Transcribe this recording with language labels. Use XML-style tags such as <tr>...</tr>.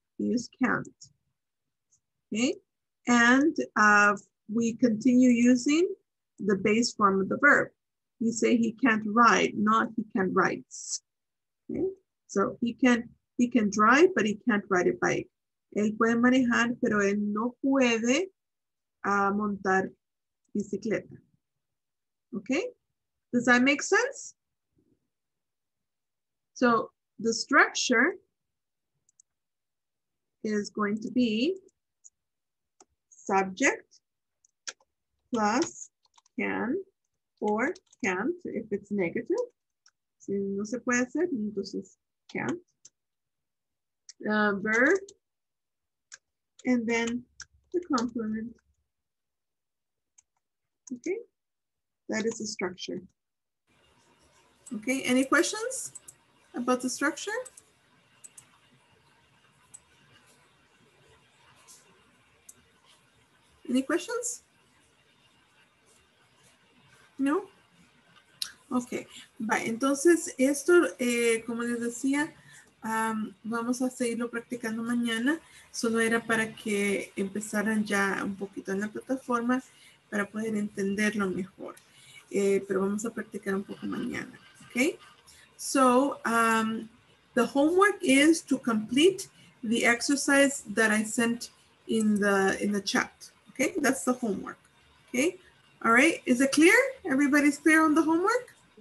<en>Use can't, okay? And we continue using the base form of the verb. You say he can't ride, not he can ride. Okay? So he can drive, but he can't ride a bike.</en> <es>Él puede manejar, pero él no puede montar bicicleta.</es> <en>Okay? Does that make sense? So the structure is going to be subject plus can. Or can't, if it's negative.</en> <es>Si no se puede hacer, entonces</es> <en>can't. Verb, and then the complement. Okay, that is the structure. Okay, any questions about the structure? Any questions? No? Ok. Bye.</en> <es>Entonces, esto, como les decía, vamos a seguirlo practicando mañana. Solo era para que empezaran ya un poquito en la plataforma para poder entenderlo mejor. Pero vamos a practicar un poco mañana. Ok.</es> <en>So, the homework is to complete the exercise that I sent in the chat. Ok. That's the homework. Ok. All right, is it clear? Everybody's clear on the homework?</en>